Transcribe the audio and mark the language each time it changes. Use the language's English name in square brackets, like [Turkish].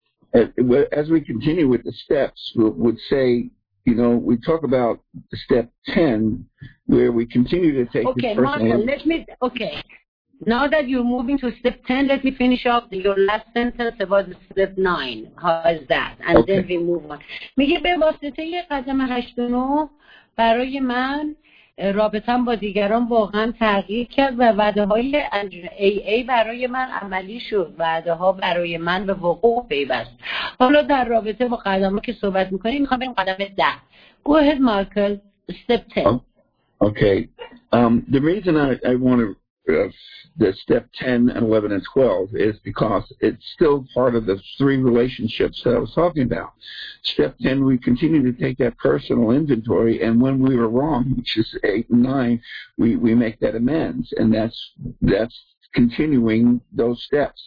[English] As we continue with the steps, we'll say, you know, we talk about step 10, where we continue to take okay, the first Okay, Marco, let me, okay. Now that you're moving to step 10, let me finish off your last sentence about step 9. How is that? And okay. Then we move on. [Persian] میگه به واسطه قدم 8 و 9 برای من رابطه‌ام با دیگران واقعا تغییر کرد و وعده‌های AA برای من عملی شد. وعده‌ها برای من به وقوع پیوست. حالا در رابطه با قدم‌ها که صحبت می‌کنیم، می‌خوام بریم قدم 10. [English] Go ahead, Michael. Step 10. Okay. The reason I want to the step 10 and 11 and 12 is because it's still part of the three relationships that I was talking about. Step 10, we continue to take that personal inventory, and when we were wrong, which is 8 and 9, we make that amends, and that's continuing those steps.